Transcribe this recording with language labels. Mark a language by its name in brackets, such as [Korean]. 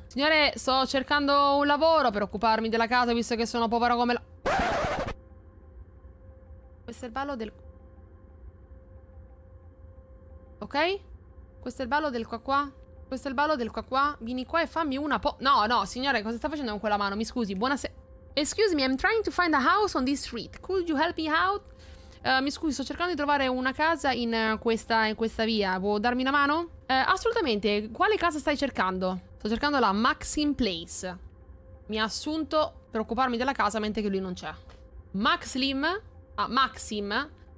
[Italian] Signore, sto cercando un lavoro per occuparmi della casa, visto che sono povero come la... Questo è il ballo del... Ok? Questo è il ballo del qua qua. Questo è il ballo del qua qua. Vieni qua e fammi una po'. No, no, signore, cosa sta facendo con quella mano? Mi scusi, buonasera. [English] Excuse me, I'm trying to find a house on this street. Could you help me out? [Italian] Mi scusi, sto cercando di trovare una casa in questa via. Può darmi una mano? Assolutamente. Quale casa stai cercando? Sto cercando la Maxim Place. Mi ha assunto per occuparmi della casa mentre che lui non c'è. Maxim? Ah, Maxim?